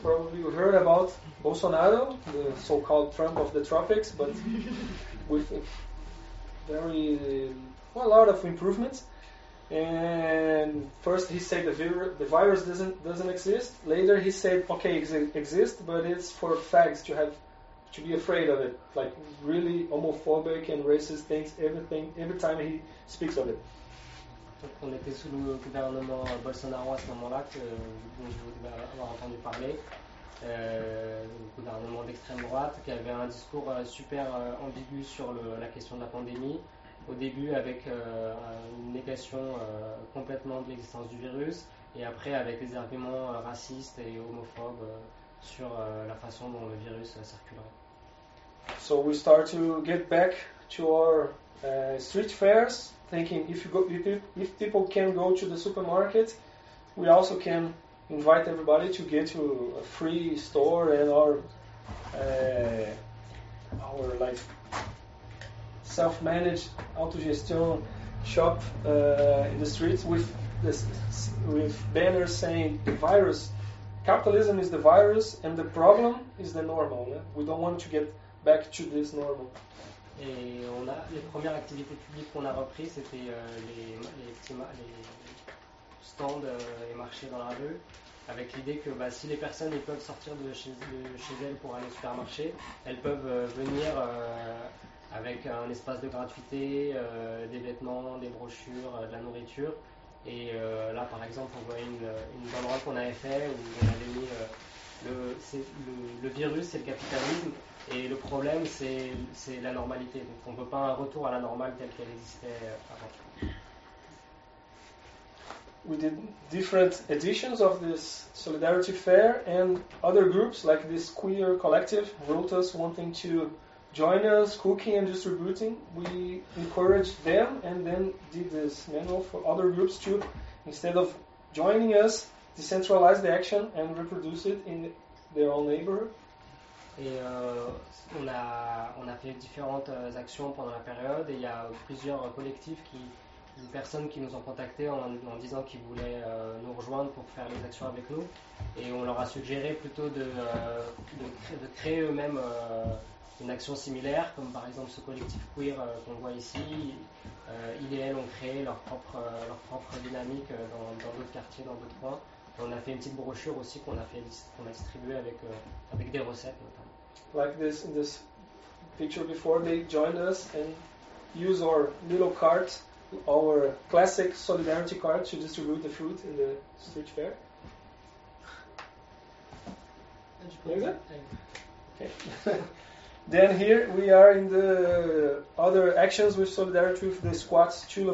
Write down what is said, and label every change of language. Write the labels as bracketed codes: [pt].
[en] Probably you heard about Bolsonaro, the so-called Trump of the tropics, but with a lot of improvements. And first he said the virus doesn't exist. Later he said, okay, it exists, but it's for fags to be afraid of it. Like really homophobic and racist things, everything, every time he speaks of it. [fr] Donc on était sous le gouvernement Bolsonaro à ce moment-là, dont vous devez avoir entendu parler, le gouvernement d'extrême droite, qui avait un discours super ambigu sur la question de la pandémie, au début avec une négation complètement de l'existence du virus, et après avec des arguments racistes et homophobes sur la façon dont le virus circulerait. [en] So we start to get back to our street fairs, thinking if people can go to the supermarket, we also can invite everybody to get to a free store and our like self-managed autogestion shop in the streets with banners saying the virus, capitalism is the virus and the problem is the normal. Yeah? We don't want to get back to this normal. [fr] Et on a les premières activités publiques qu'on a reprises, c'était les stands et marchés dans la rue, avec l'idée que si les personnes elles peuvent sortir de chez elles pour aller au supermarché, elles peuvent venir avec un espace de gratuité, des vêtements, des brochures, de la nourriture. Et là, par exemple, on voit une banderole qu'on avait fait où on avait mis le virus, c'est le capitalisme. Et le problème, c'est la normalité. Donc, on ne peut pas un retour à la normale telle qu'elle existait avant. [en] We did different editions of this solidarity fair, and other groups like this queer collective wrote us wanting to join us cooking and distributing. We encouraged them, and then did this manual for other groups to, instead of joining us, decentralize the action and reproduce it in their own neighborhood. [fr] Et on a fait différentes actions pendant la période et il y a plusieurs collectifs, des personnes qui nous ont contactés en disant qu'ils voulaient nous rejoindre pour faire les actions avec nous. Et on leur a suggéré plutôt de créer eux-mêmes une action similaire, comme par exemple ce collectif queer qu'on voit ici. Ils et elles ont créé leur propre dynamique dans d'autres quartiers, dans d'autres coins. On a fait une petite brochure aussi qu'on a distribuée avec des recettes notamment. [en] Like this in this picture before, they joined us and use our little cart, our classic solidarity cart, to distribute the food in the street fair. Okay. Then here we are in the other actions with solidarity with the squats.